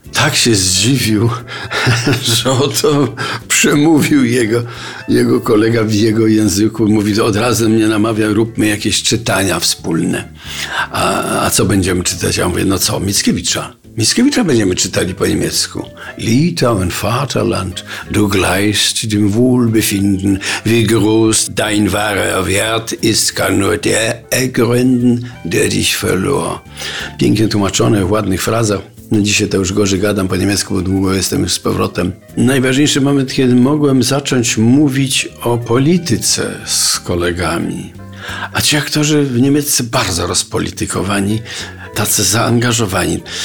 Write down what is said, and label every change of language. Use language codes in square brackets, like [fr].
[pl] Tak się zdziwił, że oto przemówił jego kolega w jego języku. Mówi, od razu mnie namawia, róbmy jakieś czytania wspólne. A co będziemy czytać? Ja mówię, no co, Mickiewicza. Mickiewicza będziemy czytali po niemiecku. [de] Litauen, Vaterland, du gleichst dem Wohlbefinden, wie groß dein wahrer Wert ist, kann nur der ergründen, der dich verlor. [pl] Pięknie tłumaczone, w ładnych frazach. No dzisiaj to już gorzej gadam po niemiecku, bo długo jestem już z powrotem. Najważniejszy moment, kiedy mogłem zacząć mówić o polityce z kolegami. A ci aktorzy w Niemiecy bardzo rozpolitykowani, tacy zaangażowani.